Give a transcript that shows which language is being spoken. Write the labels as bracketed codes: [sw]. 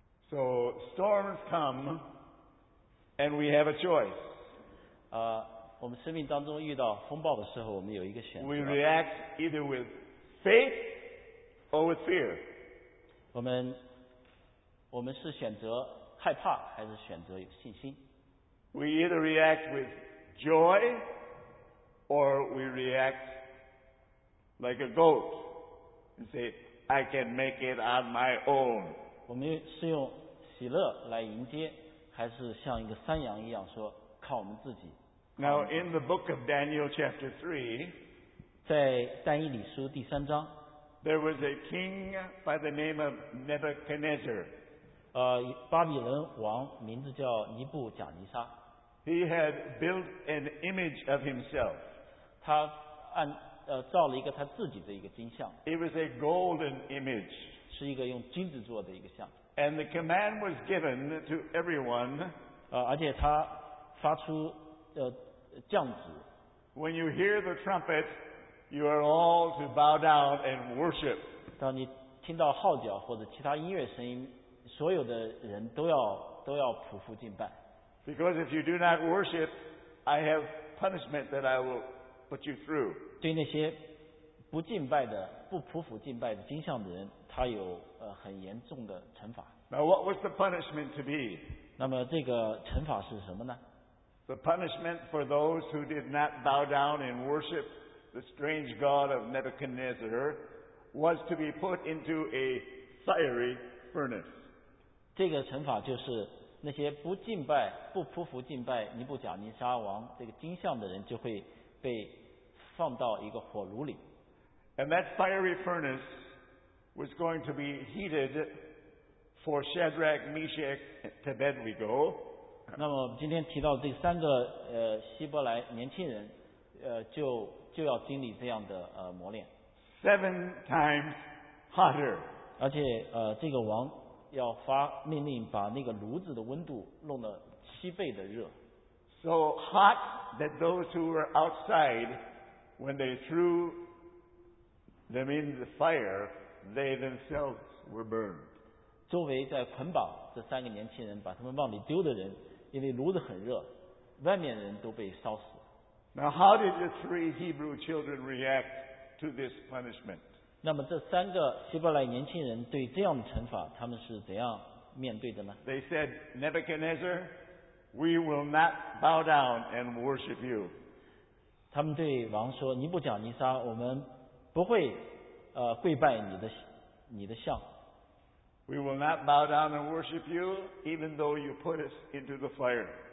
[en] So storms come, and we have a choice. [zh] 我们生命当中遇到风暴的时候，我们有一个选择。 [en] We react either with faith. Or with fear. [zh] 我们是选择害怕还是选择有信心？ [en] We either react with joy or we react like a goat and say, I can make it on my own. [zh] 我们是用喜乐来迎接，还是像一个山羊一样说靠我们自己？ [en] Now in the book of Daniel chapter 3, [zh] 在但以理书第三章， [en] There was a king by the name of Nebuchadnezzar. [zh] 巴比伦王名字叫尼布贾尼撒。 [en] He had built an image of himself. [zh] 他造了一个他自己的一个金像。 [en] It was a golden image. [zh] 是一个用金子做的一个像。 [en] And the command was given to everyone. [zh] 而且他发出降旨。 [en] When you hear the trumpet, You are all to bow down and worship. [zh] 当你听到号角或者其他音乐声音，所有的人都要匍匐敬拜。 [en] Because if you do not worship, I have punishment that I will put you through. [zh] 对那些不敬拜的、不匍匐敬拜的金像的人，他有很严重的惩罚。 [en] Now what was the punishment to be? [zh] 那么这个惩罚是什么呢？ [en] The punishment for those who did not bow down and worship the strange god of Nebuchadnezzar was to be put into a fiery furnace. [zh] 这个惩罚就是那些不敬拜、不匍匐敬拜尼布甲尼撒王这个金像的人就会被放到一个火炉里。 [en] And that fiery furnace was going to be heated for Shadrach, Meshach, and Abednego. [zh] 那么今天提到这三个希伯来年轻人，就要经历这样的磨练。 [en] Seven times hotter. [zh] 而且这个王要发命令把那个炉子的温度弄得七倍的热。 [en] So hot that those who were outside, when they threw them in the fire, they themselves were burned. [zh] 周围在捆绑这三个年轻人把他们往里丢的人，因为炉子很热，外面的人都被烧死。 [en] Now how did the three Hebrew children react to this punishment? [zh] 那么这三个希伯来年轻人对这样的惩罚，他们是怎样面对的呢？ [en] They said, Nebuchadnezzar, we will not bow down and worship you. [zh] 他们对王说，尼布甲尼撒，我们不会跪拜你的像。 [en] We will not bow down and worship you, even though you put us into the fire.